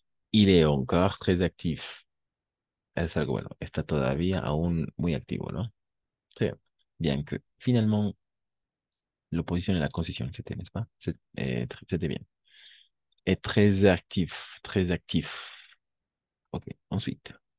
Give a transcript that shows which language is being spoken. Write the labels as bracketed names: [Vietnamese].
[French] Il est encore très actif. [Spanish] Es algo bueno. Está todavía aún muy activo, ¿no? Sí. [French] Bien que, finalement, l'opposition et la concession, c'était, n'est-ce pas? C'était bien. Et très actif, très actif. Ok, ensuite.